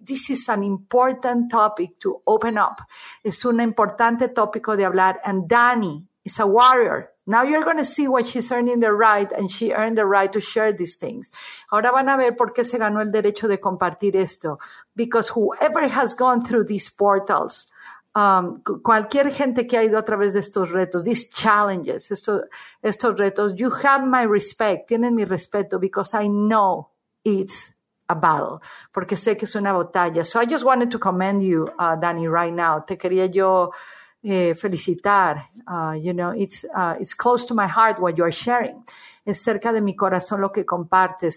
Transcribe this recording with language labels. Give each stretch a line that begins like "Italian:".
English: This is an important topic to open up.
Spanish: Es un importante tópico de hablar.
English: And Dani is a warrior. Now you're going to see why she's earning the right, and she earned the right to share these things.
Spanish: Ahora van a ver por qué se ganó el derecho de compartir esto.
English: Because whoever has gone through these portals,
Spanish: cualquier gente que ha ido a través de estos retos,
English: these challenges,
Spanish: estos retos,
English: you have my respect,
Spanish: tienen mi respeto,
English: because I know it's a battle,
Spanish: porque sé que es una batalla.
English: So I just wanted to commend you, Dani, right now.
Spanish: Te quería yo...
English: felicitar, you know, it's close to my heart what you are sharing.
Spanish: Es cerca de mi corazón lo que compartes.